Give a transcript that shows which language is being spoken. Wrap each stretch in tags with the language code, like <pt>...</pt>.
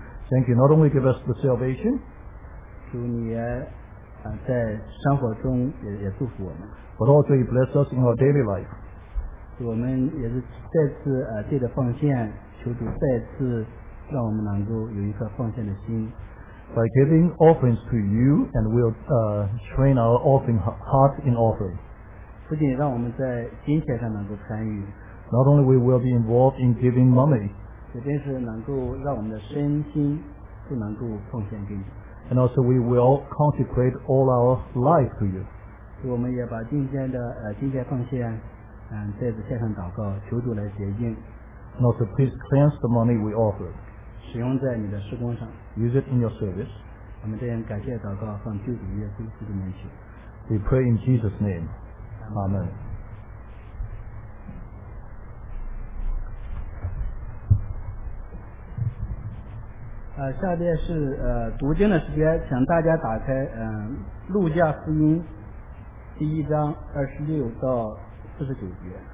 <en>Thank you. Not only give us the salvation,</en> <zh>主你也在生活中也祝福我们</zh> <en>but also you bless us in our daily life.</en> <zh>主我们也是再次借着奉献，求主再次让我们能够有一颗奉献的心。</zh> <en>By giving offerings to you, and we'll train our offering heart in offering.</en> <zh>不仅让我们在金钱上能够参与</zh> <en>not only we will be involved in giving money.</en> <zh>也便是能够让我们的身心都能够奉献给你。</zh> <en>And also we will consecrate all our life to you.</en> <zh>我们也把今天的金钱奉献在此献上祷告，求主来洁净。</zh> <en>And also please cleanse the money we offer.</en> <zh>使用在你的事工上。</zh> <en>Use it in your service.</en> <zh>我们这样感谢祷告奉救主耶稣基督的名。</zh> <en>We pray in Jesus' name. Amen.</en> <zh>下面是读经的时间，请大家打开路加福音第一章26-49节。</zh>